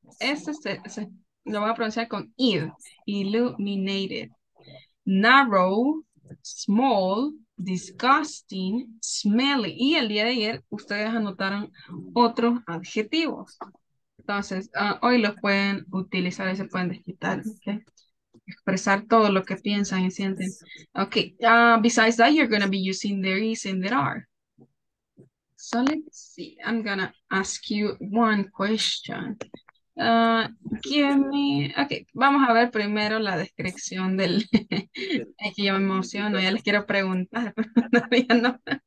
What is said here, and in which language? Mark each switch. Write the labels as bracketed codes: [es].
[es] Este se lo voy a pronunciar con id. Illuminated. [en] Narrow, small, disgusting, smelly. [es] Y el día de ayer ustedes anotaron otros adjetivos. Entonces, hoy los pueden utilizar y se pueden desquitar. Okay? Expresar todo lo que piensan y sienten. Ok. [en] Besides that, you're going to be using there is and there are. So let's see, I'm gonna ask you one question. [es] Okay, vamos a ver primero la descripción del... Es que yo me emociono, ya les quiero preguntar, pero todavía no.